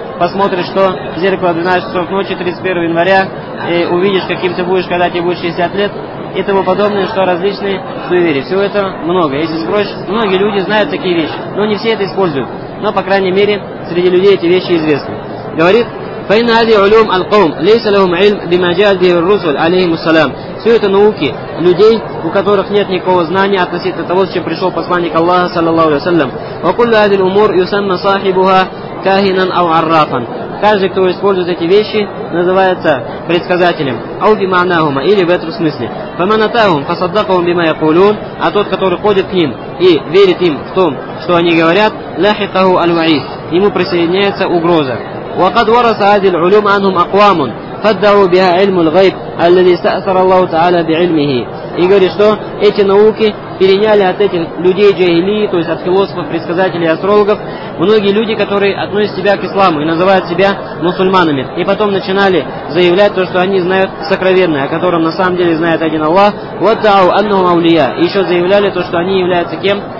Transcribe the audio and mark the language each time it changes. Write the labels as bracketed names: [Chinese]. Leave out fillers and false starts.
[Russian] Посмотришь, что в зеркало 12 часов ночи, 31 января, и увидишь, каким ты будешь, когда тебе будет 60 лет. И тому подобное, что различные суеверия. Всего этого много. Если спросишь, многие люди знают такие вещи, но не все это используют. Но, по крайней мере, среди людей эти вещи известны. Говорит, [Arabic] فإن هذه علوم القوم ليس لهم علم بما جاء به الرسل عليهم السلام. [Russian] Все это науки людей, у которых нет никакого знания относительно того, с чем пришел посланник Аллаха, саллаллаху алейхи ва саллям. [Arabic] وكل هذه الأمور يسمى صاحبها كاهنا أو عرافا. [Russian] Каждый, кто использует эти вещи, называется предсказателем. [Arabic] أو بمعناهما, [Russian] или в этом смысле. [Arabic] فمن أتاهم فصدقهم بما يقولون. [Russian] А тот, который ходит к ним и верит им в том, что они говорят, [Arabic] لاحقه الوعيد. [Russian] Ему присоединяется угроза. [Arabic] وقد ورث هذه العلوم عنهم أقوام فدعوا بها علم الغيب الذي استأثر الله تعالى بعلمه. [Russian] И говорит, что эти науки переняли от этих людей джаилии, то есть от философов, предсказателей, астрологов, многие люди, которые относят себя к исламу и называют себя мусульманами. И потом начинали заявлять то, что они знают сокровенное, о котором на самом деле знает один Аллах. Вот тау анну маулия. И еще заявляли то, что они являются кем?